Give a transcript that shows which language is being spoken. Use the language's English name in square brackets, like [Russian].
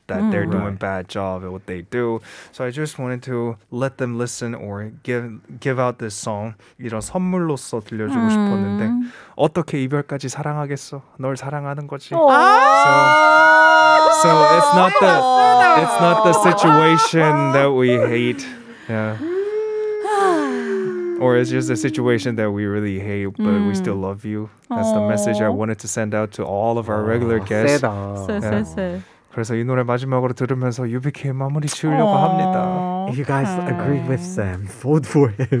[English] that they're doing bad job at what they do, so I just wanted to let them listen or give out this song [Korean] 이런 선물로서 들려주고 싶었는데 어떻게 이별까지 사랑하겠어 널 사랑하는 거지 [English] so it's not the situation that we hate Yeah. Or it's just a situation that we really hate, but we still love you. That's the message I wanted to send out to all of our regular guests. [Korean] 세다. 그래서 이 노래 마지막으로 들으면서 UBK 마무리 치우려고 합니다. [English] If you guys agree with Sam, vote for him.